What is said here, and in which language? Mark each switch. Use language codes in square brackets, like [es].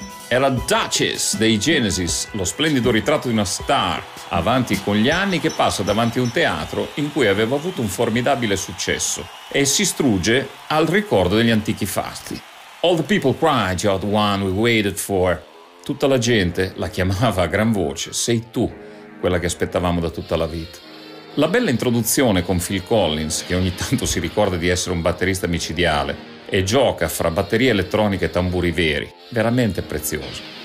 [it] Era Duchess dei Genesis, lo splendido ritratto di una star, avanti con gli anni che passa davanti a un teatro in cui aveva avuto un formidabile successo e si strugge al ricordo degli antichi fasti. [en] All the people cried, you're the one we waited for. [it] Tutta la gente la chiamava a gran voce, sei tu quella che aspettavamo da tutta la vita. La bella introduzione con Phil Collins, che ogni tanto si ricorda di essere un batterista micidiale, e gioca fra batterie elettroniche e tamburi veri, veramente prezioso.